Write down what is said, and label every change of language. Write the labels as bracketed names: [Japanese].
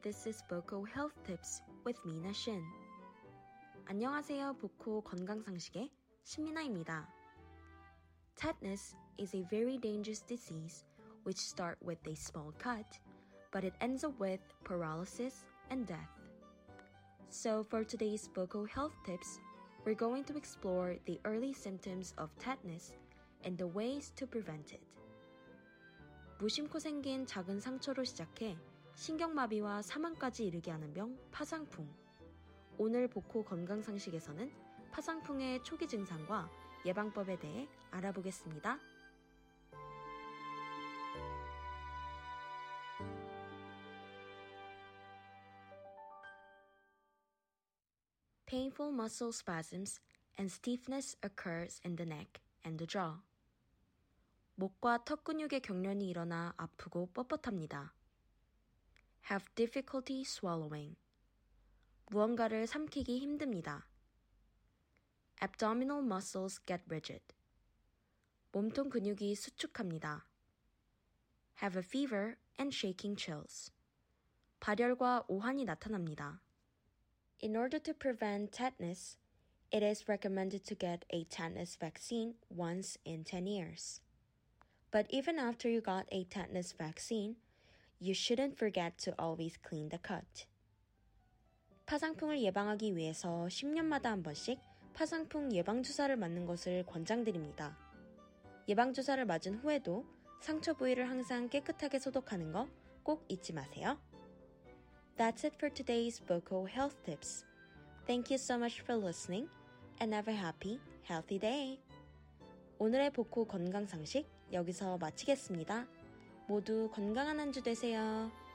[English] This is Vocal Health Tips with Mina Shin. [Korean] 안녕하세요. 보코 건강 상식의 신미나입니다. [English] Tetanus is a very dangerous disease which starts with a small cut, but it ends up with paralysis and death. So for today's Vocal Health Tips, we're going to explore the early symptoms of tetanus and the ways to prevent it. [Korean] 무심코 생긴 작은 상처로 시작해 신경마비와 사망까지 이르게 하는 병, 파상풍. 오늘 보코 건강상식에서는 파상풍의 초기 증상과 예방법에 대해 알아보겠습니다. [English] painful muscle spasms and stiffness occurs in the neck and the jaw. [Korean] 목과 턱 근육의 경련이 일어나 아프고 뻣뻣합니다. [English] have difficulty swallowing. [Korean] 무언가를 삼키기 힘듭니다. [English] abdominal muscles get rigid. [Korean] 몸통 근육이 수축합니다. [English] have a fever and shaking chills. [Korean] 발열과 오한이 나타납니다. [English] In order to prevent tetanus, it is recommended to get a tetanus vaccine once in 10 years. But even after you got a tetanus vaccine, you shouldn't forget to always clean the cut. [Korean] 파상풍을 예방하기 위해서 10년마다 한 번씩 파상풍 예방주사를 맞는 것을 권장드립니다. 예방주사를 맞은 후에도 상처 부위를 항상 깨끗하게 소독하는 거 꼭 잊지 마세요. [English] That's it for today's Boko Health Tips. Thank you so much for listening and have a happy, healthy day. [Korean] 오늘의 보코 건강상식 여기서 마치겠습니다. 모두 건강한 한 주 되세요.